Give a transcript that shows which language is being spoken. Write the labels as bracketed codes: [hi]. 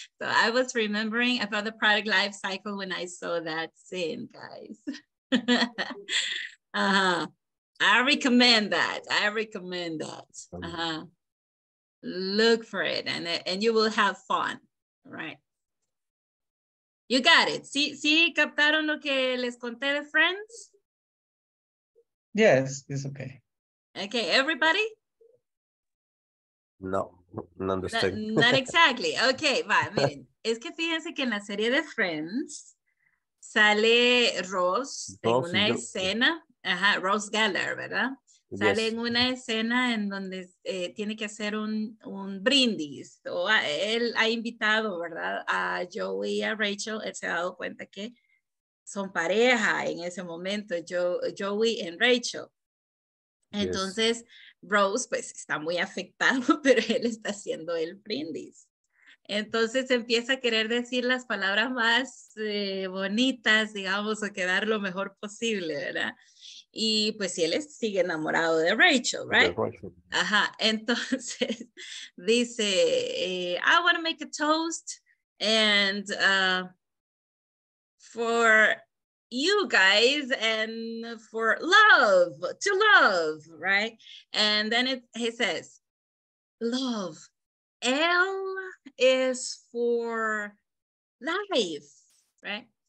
[en] So I was remembering about the product life cycle when I saw that scene, guys. I recommend that. Look for it and you will have fun, right? You got it. [es] ¿Sí, sí captaron lo que les conté de Friends? [en] Yes, it's okay. Okay, everybody? No, no understand. Not exactly. Okay, [es] va, miren. Es que fíjense que en la serie de Friends sale Ross en una escena. Ajá, Ross Geller, ¿verdad? Sale en una escena en donde tiene que hacer un brindis. O a, él ha invitado, ¿verdad? A Joey y a Rachel. Él se ha dado cuenta que son pareja en ese momento, Joey y Rachel. Entonces, [en] yes. [es] Rose, pues, está muy afectado, pero él está haciendo el brindis. Entonces, empieza a querer decir las palabras más bonitas, digamos, o quedar lo mejor posible, ¿verdad? Y pues si él sigue enamorado de Rachel, right? Ajá, entonces dice, [en] I want to make a toast and for you guys and for love, to love, right? And then he says, love, L is for life, right?